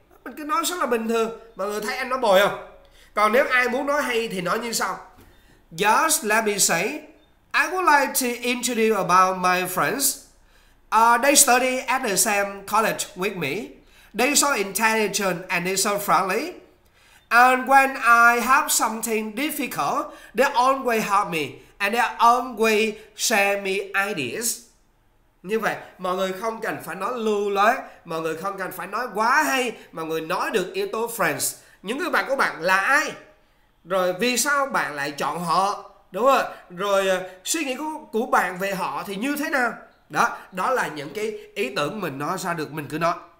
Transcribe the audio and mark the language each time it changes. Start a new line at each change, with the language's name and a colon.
Vietnamese: Mình cứ nói rất là bình thường. Mọi người thấy em nói bồi không? Còn nếu ai muốn nói hay thì nói như sau.
English: Just let me say, I would like to introduce about my friends. They study at the same college with me. They so intelligent and they so friendly. And when I have something difficult, they always help me and they always share me ideas.
Vietnamese: Như vậy, mọi người không cần phải nói lưu loát, mọi người không cần phải nói quá hay, mọi người nói được yếu tố friends. Những người bạn của bạn là ai? Rồi vì sao bạn lại chọn họ? Đúng rồi. Rồi suy nghĩ của bạn về họ thì như thế nào? Đó, đó là những cái ý tưởng mình nói ra được, mình cứ nói.